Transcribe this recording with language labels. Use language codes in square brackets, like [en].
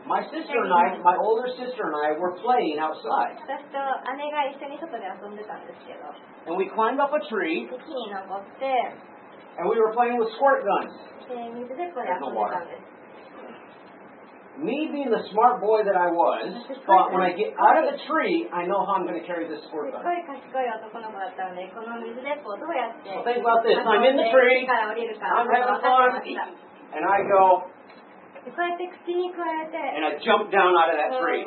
[en] My sister and I, my older sister and I were playing outside. [ja] 私と姉が一緒に外で遊んでたんですけど。 [en] And we climbed up a tree. [ja] 木に登って。 [en] And we were playing with squirt guns. [ja] で、水鉄砲で遊んでたんです。 [en] Me being the smart boy that I was, thought when I get out of the tree, I know how I'm going to carry this squirt gun. Well, think about this. I'm in the tree. I'm having fun. And I go. And I jump down out of that tree.